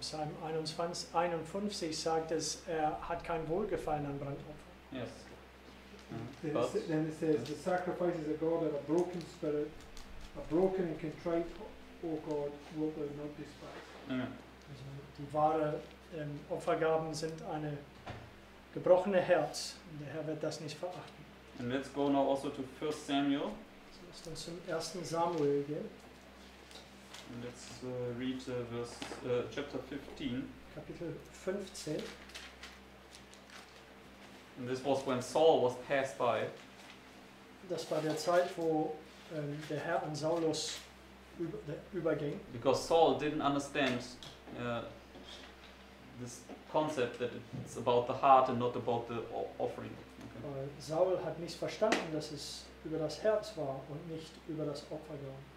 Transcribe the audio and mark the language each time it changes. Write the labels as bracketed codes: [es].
[de] Psalm 51 sagt es, er hat kein Wohlgefallen an Brandopfern. [en] Yes. Then it says, the sacrifices of God are a broken spirit, a broken and contrite, O God, wilt thou not despise. [de] Also die wahre Opfergaben sind eine gebrochene Herz, und der Herr wird das nicht verachten. [en] And let's go now also to 1 Samuel. [de] So lass uns zum 1. Samuel gehen. [en] And let's read chapter 15. [de] Kapitel 15. [en] And this was when Saul was passed by. [de] Das war der Zeit, wo der Herr an Saulus überging. [en] Because Saul didn't understand this concept that it's about the heart and not about the offering. Okay. [de] Saul hat nicht verstanden, dass es über das Herz war und nicht über das Opfer war.